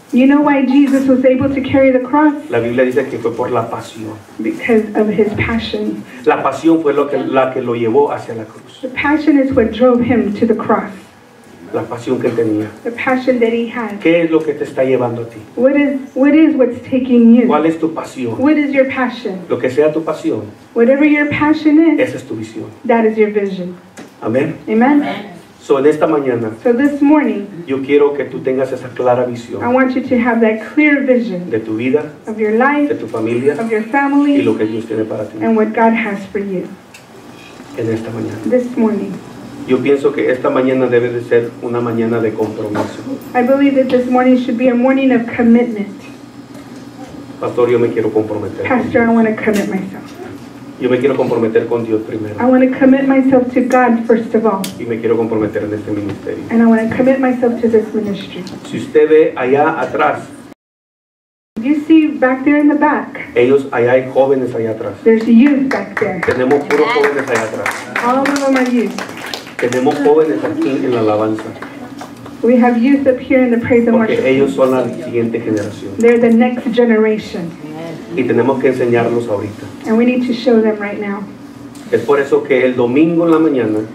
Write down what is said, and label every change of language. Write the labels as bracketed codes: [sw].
[en] You know why Jesus was able to carry the cross? [es] La Biblia dice que fue por la pasión. [en] Because of his passion. [es] La pasión fue la que lo llevó hacia la cruz. [en] The passion is what drove him to the cross. [es] La pasión que tenía. [en] The passion that he had. [es] ¿Qué es lo que te está llevando a ti? [en] What is what's taking you? [es] ¿Cuál es tu pasión? [en] What is your passion? [es] Lo que sea tu pasión. [en] Whatever your passion is. [es] Esa es tu visión. [en] That is your vision. [es] Amén. [en] Amen. Amen. [es] So en esta mañana, [en] so this morning, [es] yo quiero que tú tengas esa clara visión. [en] I want you to have that clear vision [es] de tu vida, [en] of your life, [es] de tu familia, [en] of your family, [es] y lo que Dios tiene para ti. [en] And what God has for you. [es] En esta mañana. [en] This morning. [es] Yo pienso que esta mañana debe de ser una mañana de compromiso. [en] I believe that this morning should be a morning of commitment. [es] Pastor, yo me quiero comprometer. [en] Pastor, I want to commit myself. [es] Yo me quiero comprometer con Dios primero. [en] I want to commit myself to God first of all. [es] Y me quiero comprometer en este ministerio. [en] And I want to commit myself to this ministry. [es] Si usted ve allá atrás. [en] You see back there in the back. [es] Ellos allá hay jóvenes allá atrás. [en] There's youth back there. [es] Tenemos puros jóvenes allá atrás. [en] All of them are youth. [es] Tenemos jóvenes aquí en la alabanza. [en] We have youth up here in the praise and worship. [es] Porque ellos son la siguiente generación. [en] They're the next generation. [es] Y tenemos que enseñarlos ahorita. [en] And we need to show them right now. [es] Es por eso que el domingo en la mañana.